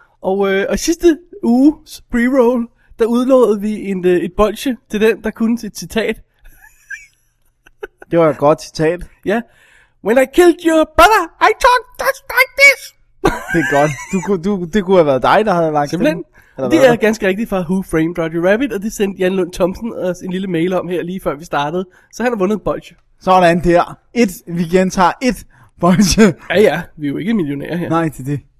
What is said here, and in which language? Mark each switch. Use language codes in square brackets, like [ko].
[da] Og sidste uges pre-roll, der udlovede vi et bolche til den, der kunne et citat. Det var et godt citat. Ja. Yeah. [en] When I killed your brother, I talked just like this. [da] Det er godt. Det kunne have været dig, der havde lagt simpelthen den. Det er ganske rigtigt fra Who Framed Roger Rabbit, og det sendte Jan Lund Thompson os en lille mail om her, lige før vi startede. Så han har vundet bolche. Sådan der. Vi gentager et bolche. Ja ja, vi er jo ikke millionærer her. Nej, det er det.